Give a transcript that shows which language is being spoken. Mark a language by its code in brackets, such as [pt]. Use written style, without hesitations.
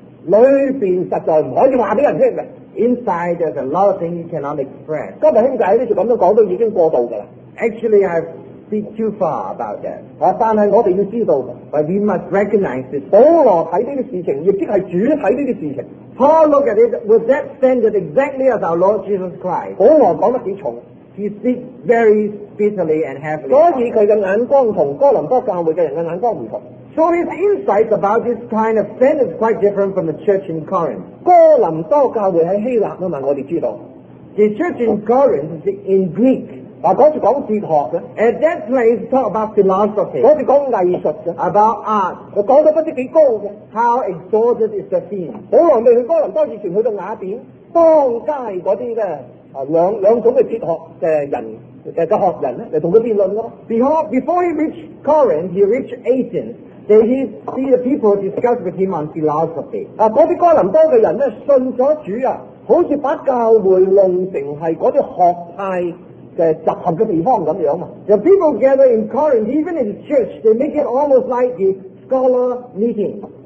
[zh] 里面实在不可以告诉人听的。 [en] Inside there's a lot of things you cannot express. [zh] 今天兄弟就这样讲到已经过度了。 [en] Actually, I've speak too far about that. [zh] 但是我们要知道， [en] but we must recognize this. [zh] 保罗看这些事情，也即是主看这些事情。 [en] Paul looked at it with that standard exactly as our Lord Jesus Christ. [zh] 保罗讲得挺重， [en] he speaks very bitterly and heavily. [zh] 所以他的眼光和哥林多教会的人的眼光不同。 [en] So his insights about this kind of sin is quite different from the church in Corinth. [zh] 哥林多教会在希腊的嘛，我们知道。 [en] The church in Corinth is in Greek. [zh] 那時講哲學的， [en] at that place talk about philosophy， [zh] 那時講藝術的， [en] about art， [zh] 他講得不知多高的。 [en] How exalted is the theme？ [zh] 保羅未去哥林多以前去到雅典，當街那些的兩種的哲學的人的學人來跟他辯論。 [en] Before he reached Corinth, he reached Athens, then he see the people discuss with him on philosophy。 [zh] 那些哥林多的人呢，信了主啊，好像把教會弄成是那些學派嘅集合嘅地方咁樣啊。 [en] The people gather in Corinth, even in church, they make it almost like the scholar meeting.